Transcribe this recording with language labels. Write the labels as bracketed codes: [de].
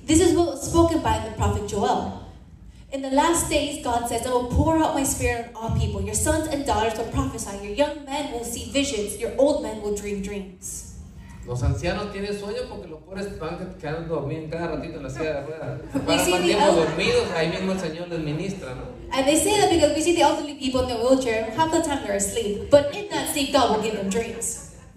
[en] This is what was spoken by the prophet Joel. In the last days, God says, I will pour out my spirit on all people. Your sons and daughters will prophesy. Your young men will see visions. Your old men will dream dreams. [es] Los ancianos tienen sueño porque los pobres van quedando dormidos cada ratito en la silla de ruedas. Van tiempo dormidos, ahí mismo el Señor les ministra, ¿no? [en] And they say that because we see the elderly people in the wheelchair and half the time they're asleep. But in that sleep, God will give them dreams.